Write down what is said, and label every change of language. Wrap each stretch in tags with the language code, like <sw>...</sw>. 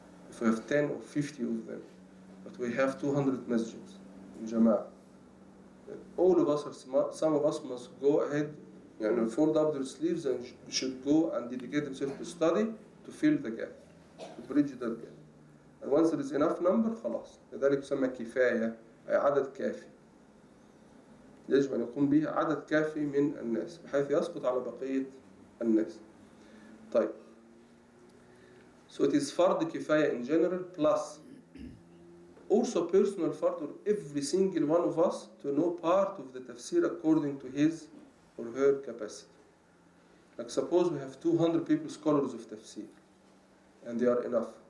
<en>If we have 10 or 50 of them, but we have 200 masjids in jama'ah, all of us, some of us must go ahead and fold up their sleeves and should go and dedicate themselves to study to fill the gap, to bridge that gap. And once there is enough number, خلاص.</en> <ar>لذلك يسمى كفاية أي عدد كافي. يجب أن يقوم به عدد كافي من الناس بحيث يسقط على بقية الناس. طيب.</ar> <en>So it is فرض كفاية in general plus also personal فرض for every single one of us to know part of the tafsir according to his or her capacity. Like suppose we have 200 people scholars of tafsir, and they are enough.</en>